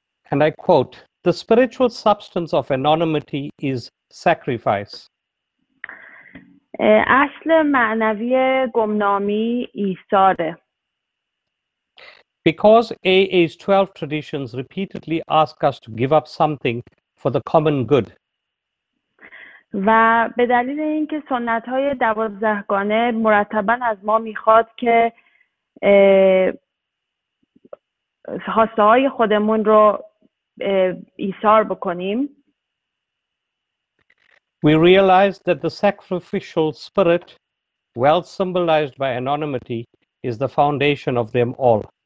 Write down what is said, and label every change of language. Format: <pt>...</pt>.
<en>And I quote, "The spiritual substance of anonymity is sacrifice."</en> <fa>اصل معنوی گمنامی ایثاره.</fa> <en>Because AA's 12 traditions repeatedly ask us to give up something for the common good.</en> <fa>و به دلیل اینکه سنت‌های 12 گانه مرتباً از ما می‌خواد که خواسته‌های خودمون رو ایثار بکنیم.</fa> <en>We realize that the sacrificial spirit, well symbolized by anonymity, is the foundation of them all.</en>